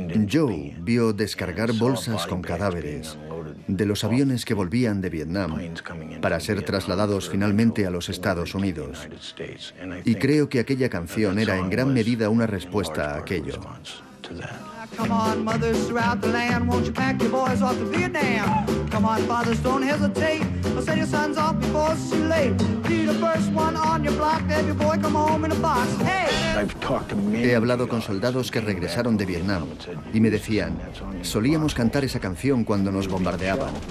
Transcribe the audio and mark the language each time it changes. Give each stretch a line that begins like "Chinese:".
Spanish: Joe vio descargar bolsas con cadáveres de los aviones que volvían de Vietnam para ser trasladados finalmente a los Estados Unidos. Y creo que aquella canción era en gran medida una respuesta a aquello.
English: Come on, mothers throughout the land, won't you pack your boys off to Vietnam? Come on, fathers, don't hesitate, I'll send your sons off before it's too late. Be the first one on your block, have your boy come home in a box. Hey!
Spanish: He hablado con soldados que regresaron de Vietnam y me decían, solíamos cantar esa canción cuando nos bombardeaban.